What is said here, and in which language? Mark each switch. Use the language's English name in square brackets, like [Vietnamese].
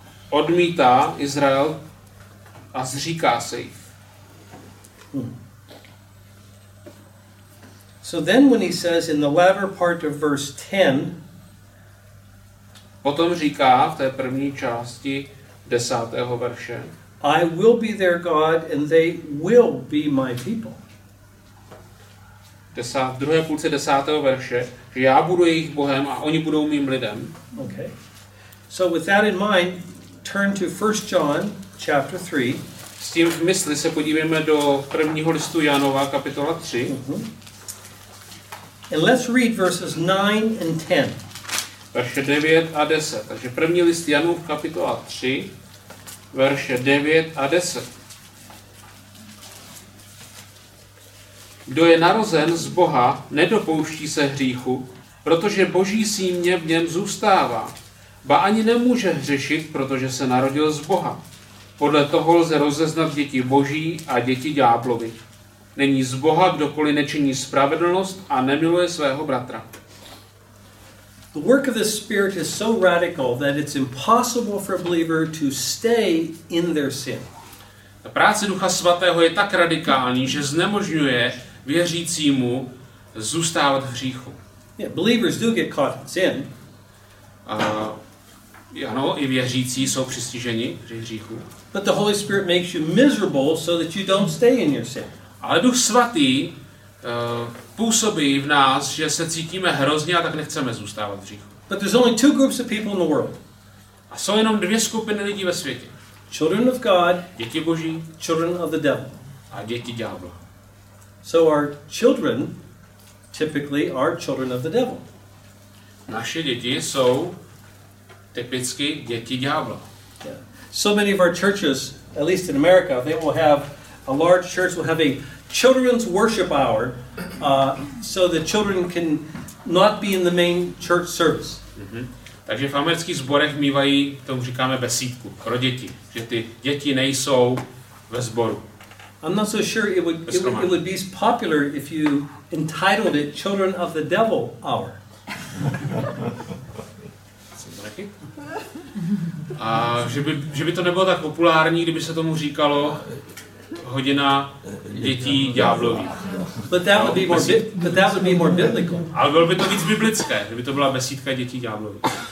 [Czech] Odmítá Izrael a zříká se jich. [English] So then when he says in the latter part of verse 10, [Czech] potom říká v té první části 10. verše, [English] I will be their God and they will be my people. [Czech] V druhé půlce 10. verše, že já budu jejich Bohem a oni budou mým lidem. [English] Okay. So with that in mind, turn to 1 John chapter 3. [Czech] S tím v mysli se podívejme do prvního listu Janova kapitola 3. [English] And let's read verses 9 and 10. [Czech] Verše 9 a 10. Takže první list Janův kapitola 3. Verše 9 a 10. Kdo je narozen z Boha, nedopouští se hříchu, protože Boží símě v něm zůstává. Ba ani nemůže hřešit, protože se narodil z Boha. Podle toho lze rozeznat děti Boží a děti ďáblovi. Není z Boha, kdokoliv nečiní spravedlnost a nemiluje svého bratra. [English] The work of the Spirit is so radical that it's impossible for a believer to stay in their sin. [Czech] Ta práce Ducha Svatého je tak radikální, že znemožňuje věřícímu zůstávat v hříchu. [English] Yeah, believers do get caught in sin. [Czech] Ano, i věřící jsou přistiženi hříchu. [English] But the Holy Spirit makes you miserable so that you don't stay in your sin. [Czech] Ale Duch Svatý působí v nás, že se cítíme hrozně a tak nechceme zůstávat v hříchu. [English] But there's only two groups of people in the world. [Czech] A jsou jenom dvě skupiny lidí ve světě. [English] Children of God, [Czech] děti Boží, [English] children of the devil. [Czech] A děti ďábla. [English] So our children typically are children of the devil. [Czech] Naše děti jsou typicky děti ďábla. [English] Yeah. So many of our churches, at least in America, they will have a large church will have a children's worship hour, so the children can not be in the main church service. Mm-hmm. [Czech] Takže v amerických sborech mívají, tomu říkáme besídku pro děti, že ty děti nejsou ve sboru. [English] I'm not so sure it would be popular if you entitled it Children of the Devil Hour. [Czech] A že by to nebylo tak populární, kdyby se tomu říkalo hodina dětí ďáblových. [English] But that would be more biblical. [Czech] Ale bylo by to víc biblické, kdyby to byla besídka dětí ďáblových.